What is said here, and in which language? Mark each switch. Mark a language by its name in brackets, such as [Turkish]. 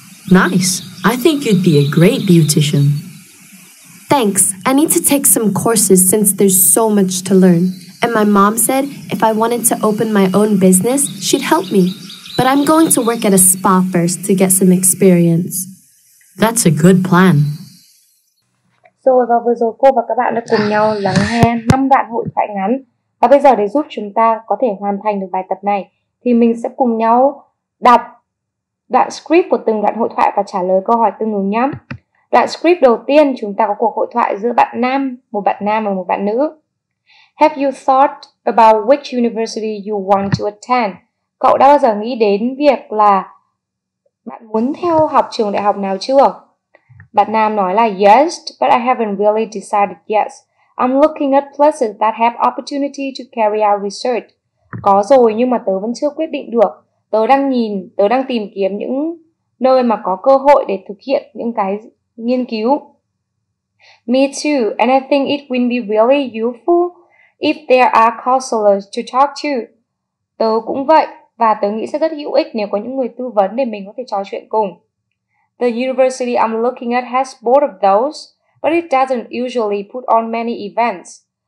[English] Nice. I think you'd be a great beautician. Thanks. I need to take some courses since there's so much to learn. And my mom said if I wanted to open my own business, she'd help me. But I'm going to work at a spa first to get some experience. That's a good plan. [Vietnamese] Rồi và vừa rồi cô và các bạn đã cùng nhau lắng nghe 5 đoạn hội thoại ngắn. Và bây giờ để giúp chúng ta có thể hoàn thành được bài tập này thì mình sẽ cùng nhau đọc đoạn script của từng đoạn hội thoại và trả lời câu hỏi tương ứng nhé. Đoạn script đầu tiên chúng ta có cuộc hội thoại giữa một bạn nam và một bạn nữ. [English] Have you thought about which university you want to attend? [Vietnamese] Cậu đã bao giờ nghĩ đến việc là bạn muốn theo học trường đại học nào chưa? Bạn nam nói là [English] yes, but I haven't really decided yet. I'm looking at places that have opportunity to carry out research. [Vietnamese] Có rồi nhưng mà tớ vẫn chưa quyết định được. Tớ đang tìm kiếm những nơi mà có cơ hội để thực hiện những cái nghiên cứu. [English] Me too, and I think it will be really useful if there are counselors to talk to. [Vietnamese] Tớ cũng vậy, và tớ nghĩ sẽ rất hữu ích nếu có những người tư vấn để mình có thể trò chuyện cùng. [English] The university I'm looking at has both of those, but it doesn't usually put on many events.